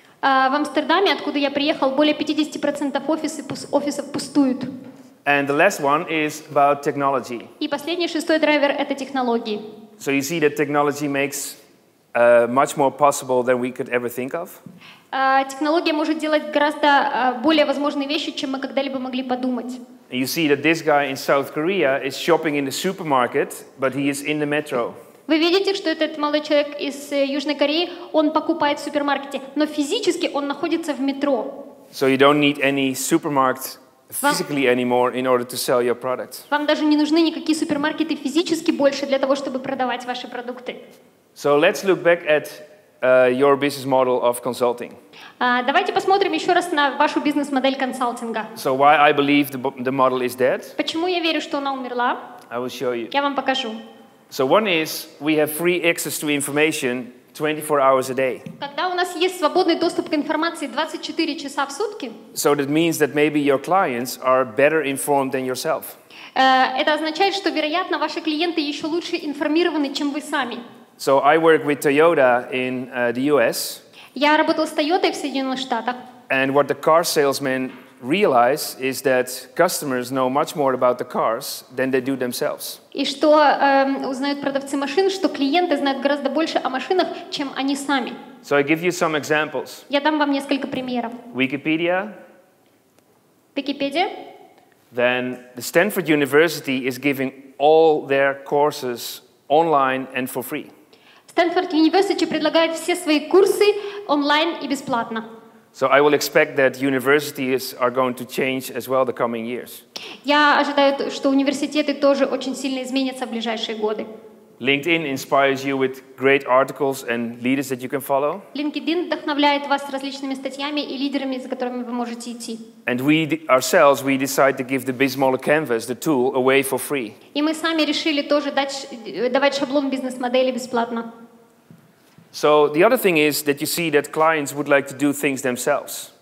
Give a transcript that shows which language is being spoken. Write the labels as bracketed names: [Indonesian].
[Russian] В Амстердаме, откуда я приехал, более 50% офисов пустуют. [English] And the last one is about technology. [Russian] И последний, шестой драйвер — это технологии. [English] So you see that technology makes much more possible than we could ever think of. [Russian] Технология может делать гораздо более возможные вещи, чем мы когда-либо могли подумать. [English] You see that this guy in South Korea is shopping in the supermarket, but he is in the metro. [Russian] Вы видите, что этот молодой человек из Южной Кореи, он покупает в супермаркете, но физически он находится в метро. [English] So you don't need any supermarket physically anymore in order to sell your products. [Russian] Вам даже не нужны никакие супермаркеты физически больше для того, чтобы продавать ваши продукты. [English] So let's look back at your business model of consulting. [Russian] Давайте посмотрим еще раз на вашу бизнес-модель консалтинга. [English] So why I believe the model is dead? [Russian] Почему я верю, что она умерла? [English] I will show you. [Russian] Я вам покажу. [English] So one is we have free access to information 24 hours a day. [Russian] Когда у нас есть свободный доступ к информации 24 часа в сутки? [English] So that means that maybe your clients are better informed than yourself. [Russian] Это означает, что вероятно ваши клиенты еще лучше информированы, чем вы сами. [English] So I work with Toyota in the US. [Russian] Я работал с Toyota в Соединенных Штатах. [English] And what the car salesmen realize is that customers know much more about the cars than they do themselves. [Russian] И что узнают продавцы машин, что клиенты знают гораздо больше о машинах, чем они сами. [English] So I give you some examples. [Russian] Я дам вам несколько примеров. [English] Wikipedia. [Russian] Википедия. [English] Then the Stanford University is giving all their courses online and for free. [Russian] Stanford University предлагает все свои курсы онлайн и бесплатно. [English] So I will expect that universities are going to change as well the coming years. [Russian] Я ожидаю, что университеты тоже очень сильно изменятся в ближайшие годы. [English] LinkedIn inspires you with great articles and leaders that you can follow. [Russian] LinkedIn вдохновляет вас различными статьями и лидерами, за которыми вы можете идти. [English] And we decide to give the BizModel Canvas, the tool, away for free. [Russian] И мы сами решили тоже давать шаблон бизнес-модели бесплатно. [English] So the other thing is that you see that clients would like to do things themselves.